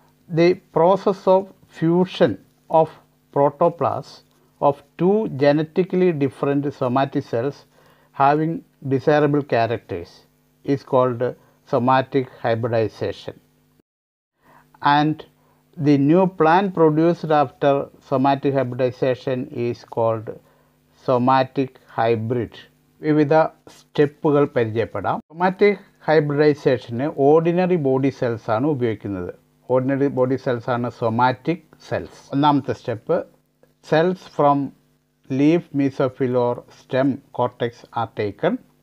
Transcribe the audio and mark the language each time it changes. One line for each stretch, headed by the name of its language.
English: The process of fusion of protoplasts of two genetically different somatic cells having desirable characters is called somatic hybridization. And the new plant produced after somatic hybridization is called somatic hybrid.
Malayalam: വിവിധ സ്റ്റെപ്പുകൾ പരിചയപ്പെടാം. Somatic ഹൈബ്രിഡൈസേഷന് ordinary body സെൽസാണ് ഉപയോഗിക്കുന്നത്. Ordinary body സെൽസാണ് somatic cells. ഒന്നാമത്തെ step,
English: Cells from leaf mesophyll or stem cortex are taken.